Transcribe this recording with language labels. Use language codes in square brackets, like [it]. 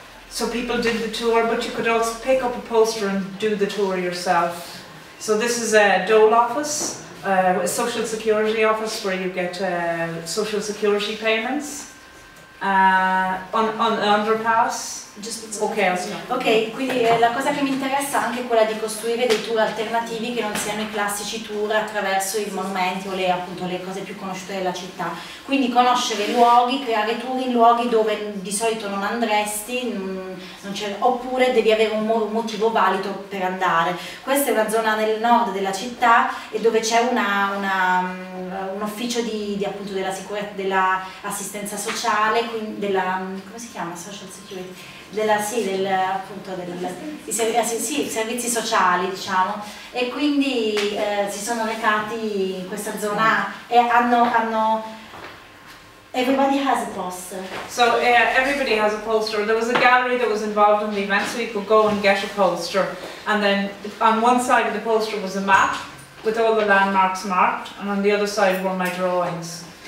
[en] So people did the tour, but you could also pick up a poster and do the tour yourself. So this is a dole office, a social security office where you get social security payments on underpass. [it] Okay, quindi la cosa che mi interessa è anche quella di costruire dei tour alternativi che non siano i classici tour attraverso i monumenti o le cose più conosciute della città. Quindi conoscere luoghi, creare tour in luoghi dove di solito non andresti, oppure devi avere un motivo valido per andare. Questa è una zona nel nord della città e dove c'è un ufficio di appunto della sicurezza, dell'assistenza sociale, quindi della, come si chiama? Social security. Servizi sociali, diciamo, e quindi si sono recati in questa zona e hanno [en] everybody has a poster. So everybody has a poster. There was a gallery that was involved in the event, so you could go and get a poster, and then on one side of the poster was a map with all the landmarks marked, and on the other side were my drawings.